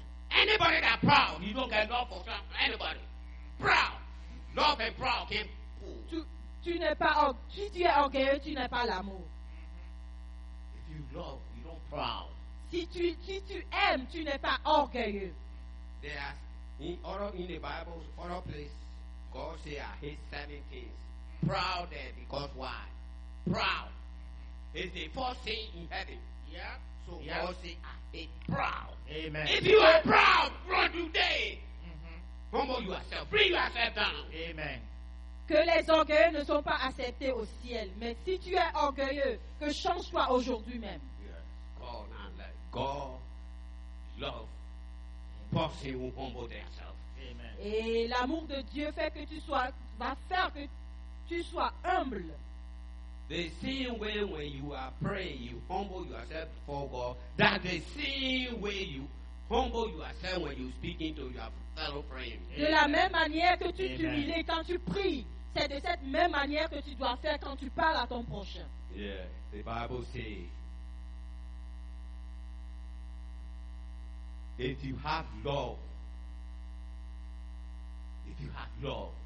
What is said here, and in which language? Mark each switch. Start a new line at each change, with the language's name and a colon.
English: Anybody that proud, you don't get love for anybody. Proud. Love and proud can pull.
French: Tu n'es pas, si tu es orgueilleux, tu n'es pas l'amour.
English: If you love, you don't proud.
French: Si tu aimes, tu n'es pas orgueilleux.
English: There are in the Bible, other places, God say I hate seven things. Proud there, because why? Proud is the first thing in heaven. Yeah. So yeah. God say I hate proud. Amen. If you are proud, run today. Mm-hmm. Humble yourself. Bring yourself down. Amen.
French: Que les orgueilleux ne sont pas acceptés au ciel. Mais si tu es orgueilleux, que change-toi aujourd'hui même.
English: Yes. fall and let God love force him to humble themselves. Amen.
French: Et l'amour de Dieu fait que tu sois, va faire que tu sois humble.
English: The same way when you are praying, you humble yourself before God. That the same way you humble yourself when you speak into your fellow praying.
French: De la même manière que tu t'humilies quand tu pries, c'est de cette même manière que tu dois faire quand tu parles à ton prochain.
English: Yeah, the Bible says, if you have love, if you have love,